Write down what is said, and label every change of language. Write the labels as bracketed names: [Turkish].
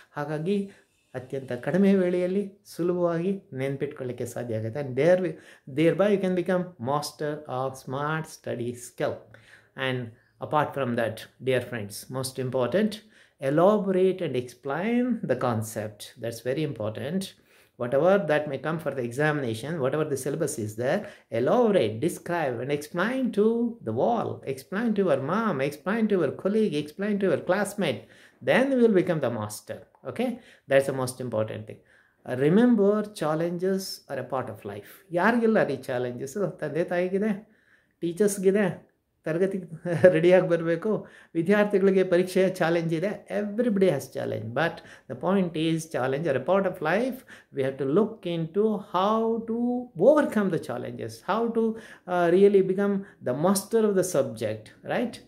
[Kannada] ಹಾಗಾಗಿ ಅತ್ಯಂತ ಕಡಿಮೆ ವೇಳೆಯಲ್ಲಿ ಸುಲಭವಾಗಿ ನೆನ್ಪಿಟ್ಕೊಳ್ಳಿಕ್ಕೆ ಸಾಧ್ಯ ಆಗುತ್ತೆ. [English] And thereby you can become master of smart study skill. And apart from that dear friends, most important, elaborate and explain the concept. That's very important. Whatever that may come for the examination, whatever the syllabus is there, elaborate, describe and explain to the wall, explain to your mom, explain to your colleague, explain to your classmate, then you will become the master. Okay, that's the most important thing. Remember, challenges are a part of life. [Kannada] Yaarigella ri challenges tande taayigide teachers gide ತರಗತಿ ರೆಡಿಯಾಗಿ ಬರಬೇಕು, ವಿದ್ಯಾರ್ಥಿಗಳಿಗೆ ಪರೀಕ್ಷೆಯ challenge ಇದೆ, [English] Everybody has challenge. But the point is, challenge are a part of life. We have to look into how to overcome the challenges, how to really become the master of the subject, right?